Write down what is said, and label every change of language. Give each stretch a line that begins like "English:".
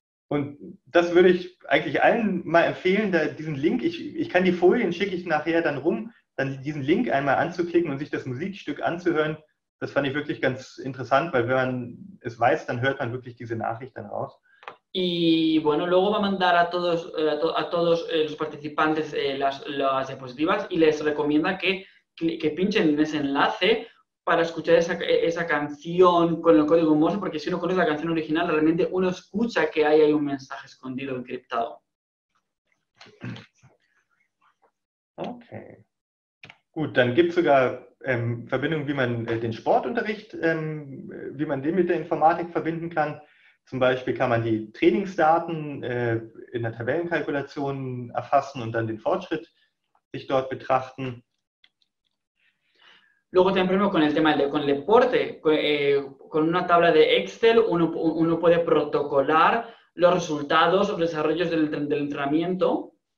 German: Und das würde ich eigentlich allen mal empfehlen, diesen Link, ich kann die Folien schicke ich nachher dann rum, dann diesen Link einmal anzuklicken und sich das Musikstück anzuhören. Das fand ich wirklich ganz interessant, weil wenn man es weiß, dann hört man wirklich diese Nachricht dann raus.
Spanish: Y bueno, luego va a mandar a todos los participantes las diapositivas y les recomienda que pinchen en ese enlace para escuchar esa canción con el código Morse, porque si uno conoce la canción original, realmente uno escucha que hay un mensaje escondido, encriptado. Ok.
German: Gut, dann gibt es sogar Verbindungen, wie man den Sportunterricht, wie man den mit der Informatik verbinden kann. Zum Beispiel kann man die Trainingsdaten in der Tabellenkalkulation erfassen und dann den Fortschritt sich dort betrachten.
Spanish: Luego también, por ejemplo, con el tema con el deporte, con una tabla de Excel, uno puede protocolar los resultados o desarrollos del entrenamiento.